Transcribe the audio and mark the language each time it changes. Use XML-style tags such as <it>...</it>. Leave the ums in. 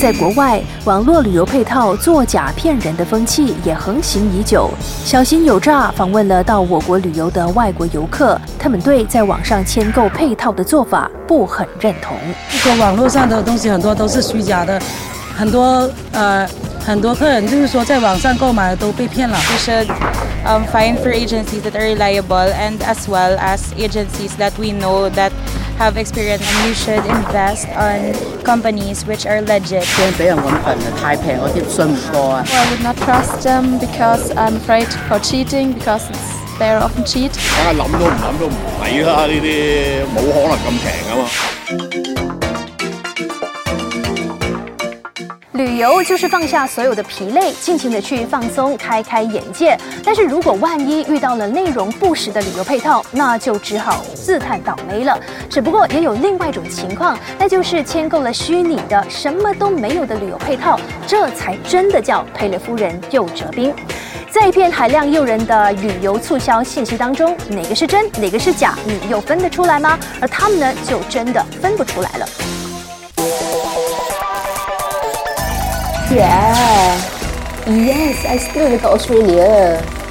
<zh>在國外，網絡旅遊配套作假騙人的風氣也橫行已久。小心有詐訪問了到我國旅遊的外國遊客，他们對在网上簽購配套的做法不很認同。说網絡上的東西很多都是虛假的，很多呃很多客人就是說在網上購買都被騙了。醫生。</zh> <en>um, find for agencies that are reliable and as well as agencies that we know that have experience and we should invest on companies which are legit. Well, I would not trust them because I'm afraid for cheating because they are often cheat. I</en> <zh>旅游就是放下所有的疲累，尽情的去放松、开开眼界。但是如果万一遇到了内容不实的旅游配套，那就只好自叹倒霉了。只不过也有另外一种情况，那就是签购了虚拟的、什么都没有的旅游配套，这才真的叫赔了夫人又折兵。在一片海量诱人的旅游促销信息当中，哪个是真，哪个是假，你又分得出来吗？而他们呢，就真的分不出来了。</zh> <en>Astra. Yeah. Yes, I still</en> <ms>dekat</ms> <en>Australia.</en>